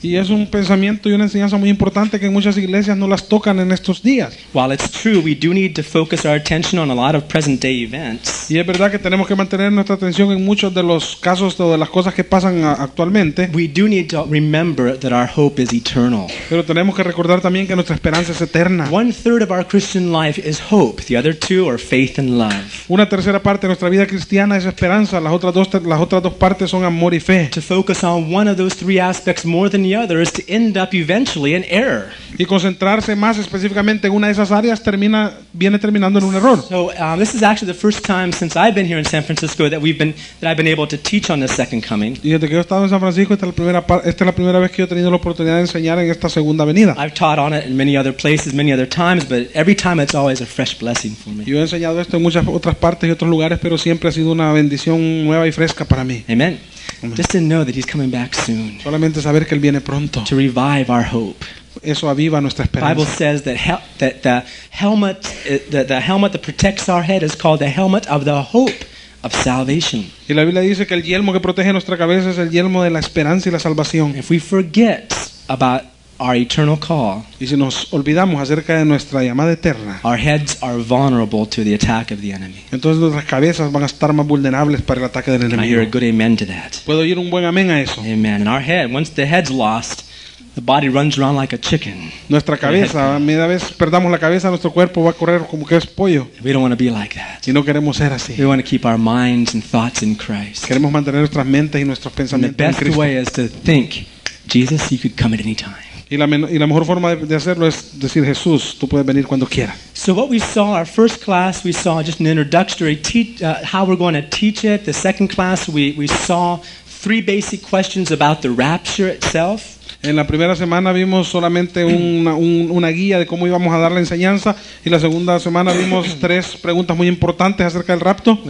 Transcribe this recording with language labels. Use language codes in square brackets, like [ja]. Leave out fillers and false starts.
[es] Y es un pensamiento y una enseñanza muy importante que muchas iglesias no las tocan en estos días. [en] While it's true we do need to focus our attention on a lot of present day events. [es] Y es verdad que tenemos que mantener nuestra atención en muchos de los casos o de las cosas que pasan actualmente. [en] We do need to remember that our hope is eternal. [es] Pero tenemos que recordar también que nuestra esperanza es eterna. [en] One third of our Christian life is hope. The other two are faith and love. [es] Una tercera parte de nuestra vida cristiana es esperanza. Las otras dos partes son amor y fe. [en] To focus on one of those three aspects more than the other is to end up eventually in error. [es] Y concentrarse más específicamente en una de esas áreas viene terminando en un error. [en] So this is actually the first time since I've been here in San Francisco that I've been able to teach on the second coming. [es] Y desde que he estado en San Francisco esta es la primera vez que he tenido la oportunidad de enseñar en esta segunda venida. [en] I've taught on it in many other places, many other times, but every time it's always a fresh blessing for me. [es] Yo he enseñado esto en muchas otras partes y otros lugares, pero siempre ha sido una bendición nueva y fresca para mí. [en] Amen. Just to know that he's coming back soon. [es] Solamente saber que él viene pronto. [en] To revive our hope. [es] Eso aviva nuestra esperanza. [en] Bible says that the helmet that protects our head is called the helmet of the hope of salvation. [es] Y la Biblia dice que el yelmo que protege nuestra cabeza es el yelmo de la esperanza y la salvación. [en] If we forget about our eternal call. [es] Y si nos olvidamos acerca de nuestra llamada eterna. [en] Our heads are vulnerable to the attack of the enemy. [es] Entonces nuestras cabezas van a estar más vulnerables para el ataque del enemigo. [en] Can I hear a good amen to that? [es] ¿Puedo oír un buen amén a eso? [en] Amen. And our head, once the head's lost, the body runs around like a chicken. [es] Nuestra cabeza, a medida vez perdamos la cabeza, nuestro cuerpo va a correr como que es pollo. [en] We don't want to be like that. [es] Y no queremos ser así. [en] We want to keep our minds and thoughts in Christ. [es] Queremos mantener nuestras mentes y nuestros pensamientos en Cristo. [en] The best way is to think, Jesus, you could come at any time. [es] Y la mejor forma de hacerlo es decir, Jesús, tú puedes venir cuando quieras. [en] So what we saw, our first class, we saw just an introductory how we're going to teach it. The second class, we saw three basic questions about the rapture itself. [es] En la primera semana vimos solamente una guía de cómo íbamos a dar la enseñanza. Y la segunda semana vimos tres preguntas muy importantes acerca del rapto.